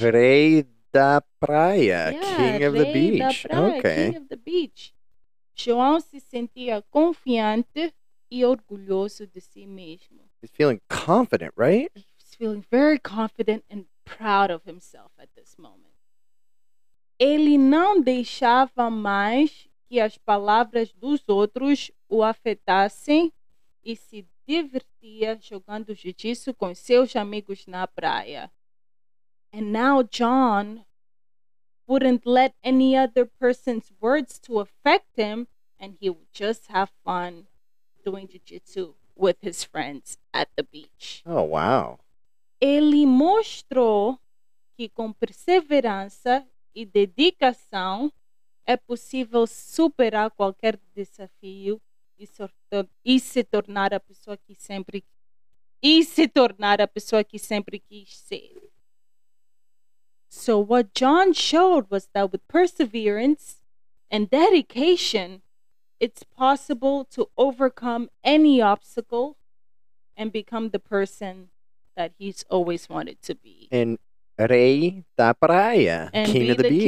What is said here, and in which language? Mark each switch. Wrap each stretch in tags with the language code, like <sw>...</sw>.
<pt>Rei da Praia.</pt> <en>Yeah, King of</en> <pt>Rei</pt> <en>the Beach.</en> <pt>Da Praia,</pt> <en>okay. King of the Beach.</en> <pt>João se sentia confiante e orgulhoso de si mesmo.</pt> <en>He's feeling confident, right? He's feeling very confident and proud of himself at this moment.</en> <pt>Ele não deixava mais que as palavras dos outros o afetassem e se divertia jogando jiu-jitsu com seus amigos na praia.</pt> <en>And now John wouldn't let any other person's words to affect him and he would just have fun doing jiu-jitsu with his friends at the beach. Oh, wow.</en> <pt>Ele mostrou que com perseverança e dedicação é possível superar qualquer desafio e se tornar a pessoa que sempre quis ser.</pt> <en>So what John showed was that with perseverance and dedication, it's possible to overcome any obstacle and become the person that he's always wanted to be. And</en> <pt>Rei da Praia,</pt> <en>King of the Beach.</en>